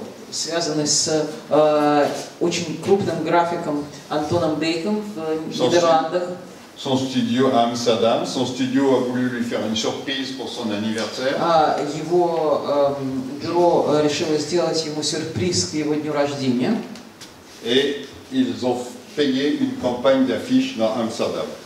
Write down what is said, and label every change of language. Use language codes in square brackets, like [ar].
[ru] Связанный с очень крупным графиком Антоном Бейком в Нидерландах. [fr] Son studio à Amsterdam. Son studio a voulu lui faire une surprise pour son anniversaire. [ru] Его бюро решило сделать ему сюрприз к его дню рождения. [fr] Et ils ont payé une campagne d'affiches dans Amsterdam.